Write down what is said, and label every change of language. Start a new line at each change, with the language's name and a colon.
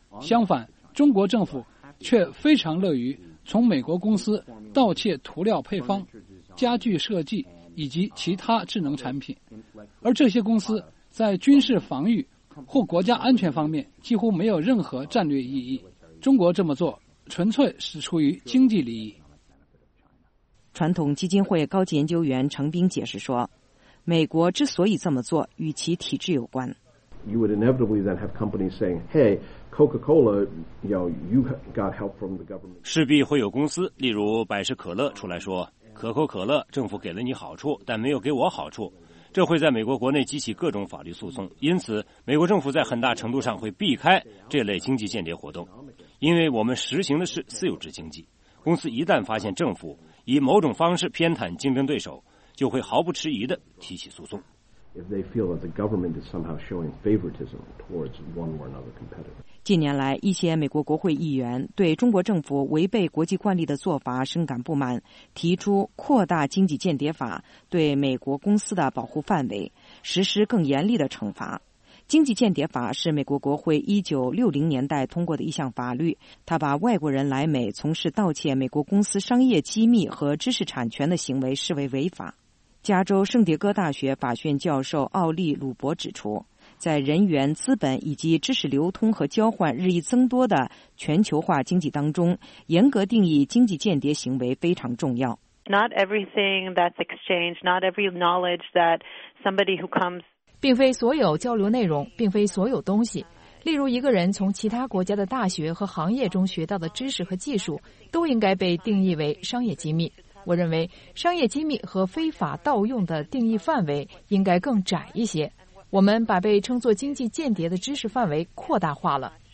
Chinese: 相反，中国政府却非常乐于从美国公司盗窃涂料配方、家具设计以及其他智能产品，而这些公司在军事防御或国家安全方面几乎没有任何战略意义。中国这么做纯粹是出于经济利益。传统基金会高级研究员程斌解释说，美国之所以这么做与其体制有关。
English: You would inevitably then have companies saying, "Hey, Coca-Cola, you got help from the government."
Chinese: 势必会有公司，例如百事可乐出来说，可口可乐政府给了你好处，但没有给我好处。这会在美国国内激起各种法律诉讼，因此美国政府在很大程度上会避开这类经济间谍活动，因为我们实行的是私有制经济。公司一旦发现政府以某种方式偏袒竞争对手，就会毫不迟疑地提起诉讼。
English: If they feel that the government is somehow showing favoritism towards one or another competitor.
Chinese: 近年来，一些美国国会议员对中国政府违背国际惯例的做法深感不满，提出扩大经济间谍法，对美国公司的保护范围，实施更严厉的惩罚。经济间谍法是美国国会1960年代通过的一项法律，它把外国人来美从事盗窃美国公司商业机密和知识产权的行为视为违法。加州圣迭戈大学法学院教授奥利·鲁伯指出，在人员、资本以及知识流通和交换日益增多的全球化经济当中，严格定义经济间谍行为非常重要。
English: Not everything that's exchanged, not every knowledge that somebody who comes...
Chinese: 并非所有交流内容，并非所有东西，例如一个人从其他国家的大学和行业中学到的知识和技术，都应该被定义为商业机密。我认为商业机密和非法盗用的定义范围应该更窄一些，我们把被称作经济间谍的知识范围扩大化了。